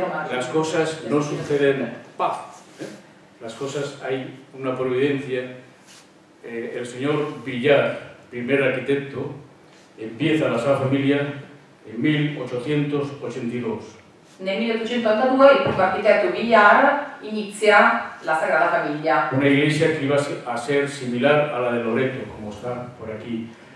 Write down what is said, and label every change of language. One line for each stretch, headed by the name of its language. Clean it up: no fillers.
Spanish: Las cosas no suceden paz, las cosas hay una providencia. El señor Villar, primer arquitecto, empieza la Sagrada Familia en 1882.
Italian: Nel 1882 il primo arquitetto Villar inizia la Sagrada Familia.
Spanish: Una iglesia que iba a ser similar a la de Loreto, como está por aquí.